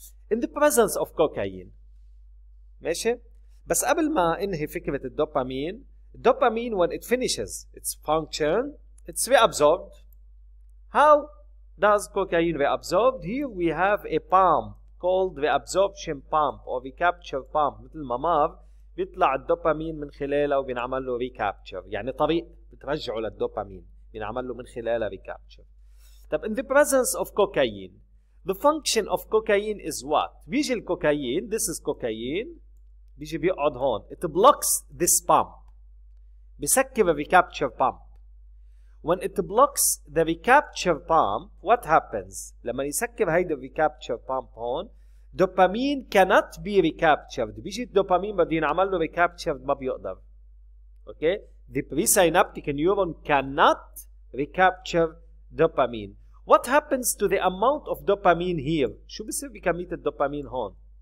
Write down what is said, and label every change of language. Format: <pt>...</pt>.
<en>In the presence of cocaine.</en> <ar>ماشي؟ بس قبل ما انهي فكرة الدوبامين,</ar> <en>dopamine when it finishes its function, it's reabsorbed. How does cocaine reabsorbed? Here we have a pump called reabsorption pump or recapture pump.</en> <ar>مثل ما مر بيطلع الدوبامين من خلاله وبينعمل له recapture, يعني طريق بترجعه للدوبامين بينعمل له من خلاله recapture.</ar> <en>طب in the presence of cocaine, the function of cocaine is what?</en> <ar>بيجي الكوكايين,</ar> <en>this is cocaine,</en> <ar>بيجي بيقعد هون,</ar> <en>it blocks this pump,</en> <ar>بسكر recapture pump.</ar> <en>When it blocks the recapture pump, what happens?</en> <ar>لما يسكر هيدا recapture pump هون,</ar> <en>dopamine cannot be recaptured.</en> <ar>بيجي الدوبامين بده ينعمل له recapture, ما بيقدر.</ar> <en>Okay? The presynaptic neuron cannot recapture dopamine. What happens to the amount of dopamine here?</en> <ar>شو بصير بكمية الدوبامين هون?</ar>